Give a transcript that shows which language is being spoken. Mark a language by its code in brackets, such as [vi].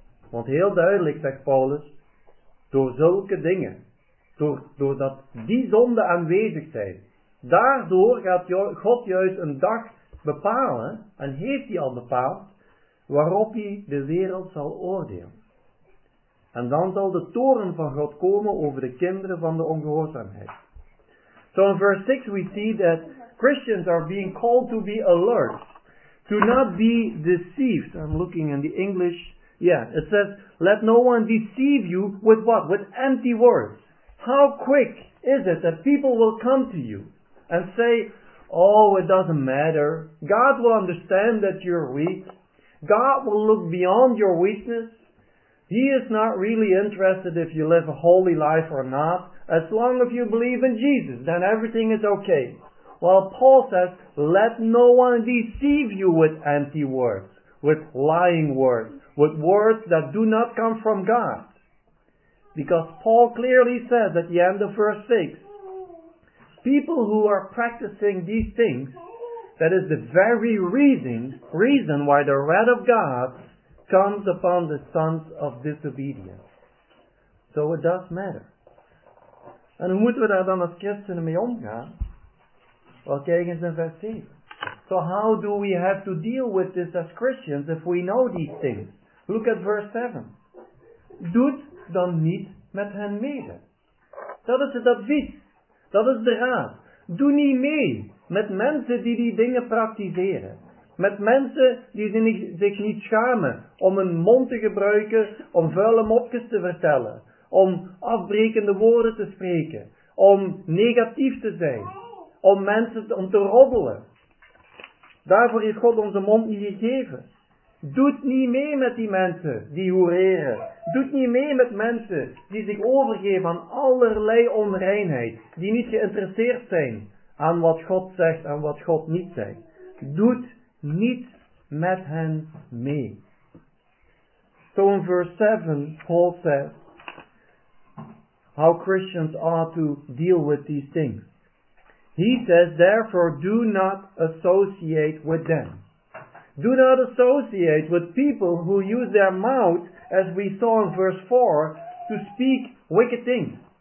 [nl] Want heel duidelijk, zegt Paulus, door zulke dingen, doordat die zonden aanwezig zijn, daardoor gaat God juist een dag bepalen, en heeft hij al bepaald, waarop hij de wereld zal oordelen. En dan zal de toren van God komen over de kinderen van de ongehoorzaamheid. [en] So in verse 6 we see that Christians are being called to be alert, to not be deceived. I'm looking in the English. Yeah, it says, let no one deceive you with what? With empty words. How quick is it that people will come to you and say, oh, it doesn't matter. God will understand that you're weak. God will look beyond your weakness. He is not really interested if you live a holy life or not. As long as you believe in Jesus, then everything is okay. Well, Paul says, let no one deceive you with empty words, with lying words, with words that do not come from God. Because Paul clearly says at the end of verse 6, people who are practicing these things, that is the very reason why the wrath of God comes upon the sons of disobedience. So it does matter. [nl] En hoe moeten we daar dan als christenen mee omgaan? Wel, kijk eens in vers 7. [en] So how do we have to deal with this as Christians if we know these things? Look at verse 7. [nl] Doet dan niet met hen mede. Dat is het advies. Dat is de raad. Doe niet mee met mensen die die dingen praktiseren. Met mensen die zich niet schamen om hun mond te gebruiken om vuile mopjes te vertellen. Om afbrekende woorden te spreken. Om negatief te zijn. Om mensen om te roddelen. Daarvoor heeft God onze mond niet gegeven. Doet niet mee met die mensen die hoereren. Doet niet mee met mensen die zich overgeven aan allerlei onreinheid. Die niet geïnteresseerd zijn aan wat God zegt en wat God niet zegt. Doet niet met hen mee. [en] So in verse 7, Paul says, how Christians ought to deal with these things. He says, therefore, do not associate with them. Do not associate with people who use their mouth, as we saw in verse 4, to speak wicked things.